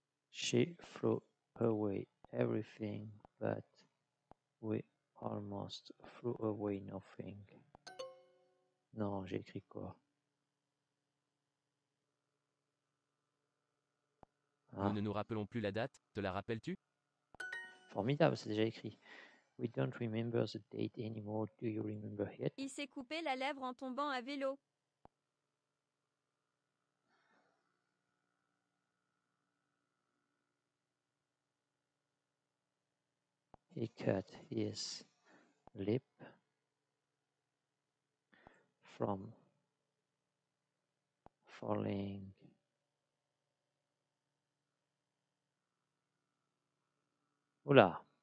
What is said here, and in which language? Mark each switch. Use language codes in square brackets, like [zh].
[en] She threw away everything, but we almost threw away nothing. [fr] Non, j'ai écrit quoi? Nous ne nous rappelons plus la date, te la rappelles-tu? Formidable, c'est déjà écrit. [en] We don't remember the date anymore, do you remember it? [fr] Il s'est coupé la lèvre en tombant à vélo. [en] He cut his lip from falling Oula.